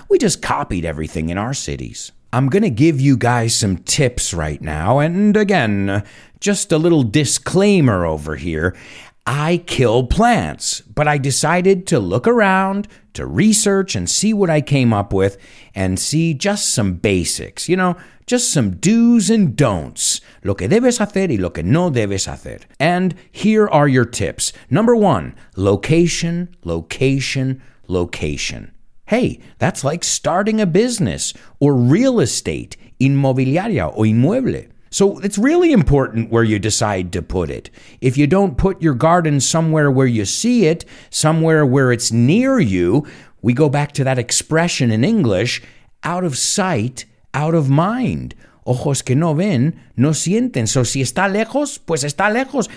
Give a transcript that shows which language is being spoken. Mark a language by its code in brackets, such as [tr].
[en] We just copied everything in our cities. I'm going to give you guys some tips right now, and again, just a little disclaimer over here. I kill plants, but I decided to look around, to research and see what I came up with, and see just some basics, you know, just some do's and don'ts. [es] Lo que debes hacer y lo que no debes hacer. [en] And here are your tips. Number one, location, location, location. Hey, that's like starting a business or real estate, [es] inmobiliaria o inmueble. [en] So it's really important where you decide to put it. If you don't put your garden somewhere where you see it, somewhere where it's near you, we go back to that expression in English, out of sight, out of mind. [es] Ojos que no ven, no sienten. So si está lejos, pues está lejos.